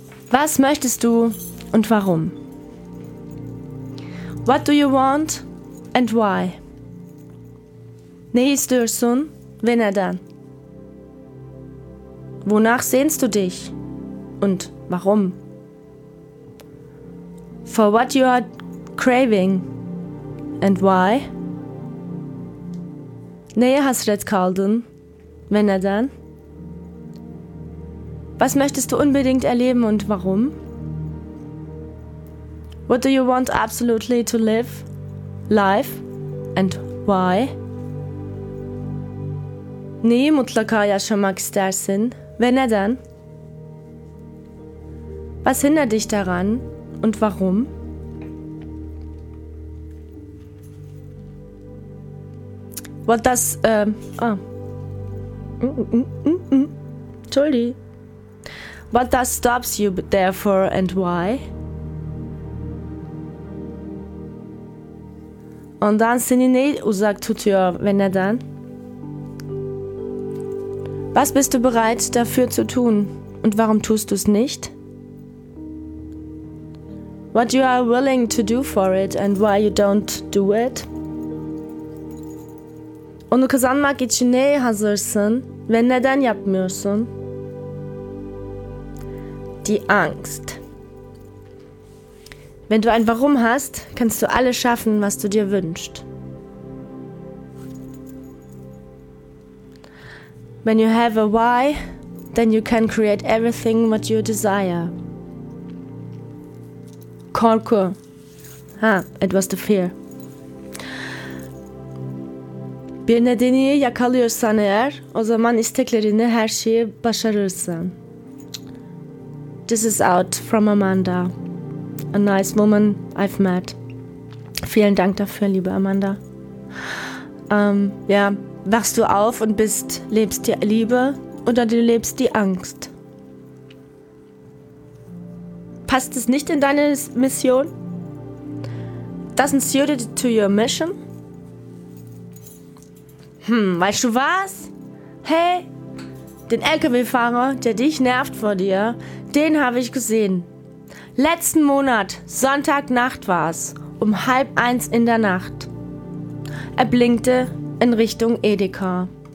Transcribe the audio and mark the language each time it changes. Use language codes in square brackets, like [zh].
[de] Was möchtest du und warum? [en] What do you want and why? [tr] Ne istiyorsun ve neden? [de] Wonach sehnst du dich und warum? [en] For what you are craving and why? [tr] Neye hasret kaldın ve neden? [de] Was möchtest du unbedingt erleben und warum? [en] What do you want absolutely to live life and why? [tr] Neyi mutlaka yaşamak istersin ve neden? [de] Was hindert dich daran und warum? [en] What does Entschuldigung. What does stops you therefore and why? [tr] Ondan seni ne uzak tutuyor ve neden? [de] Was bist du bereit dafür zu tun und warum tust du es nicht? [en] What you are willing to do for it and why you don't do it? [tr] Onu kazanmak için ne hazırsın ve neden yapmıyorsun? [de] Die Angst. Wenn du ein Warum hast, kannst du alles schaffen, was du dir wünschst. When you have a why, then you can create everything what you desire. Korku. Etwas to fear. [tr] Bir nedeni yakalıyorsan eğer, o zaman isteklerini her şeyi başarırsın. [en] This is out from Amanda, a nice woman I've met. [de] Vielen Dank dafür, liebe Amanda. Wachst du auf und lebst die Liebe oder du lebst die Angst? Passt es nicht in deine Mission? [en] Doesn't suit it to your mission? [de] Weißt du was? Hey, den LKW-Fahrer, der dich nervt vor dir, den habe ich gesehen. Letzten Monat, Sonntagnacht war's, 12:30 in der Nacht. Er blinkte in Richtung Edeka.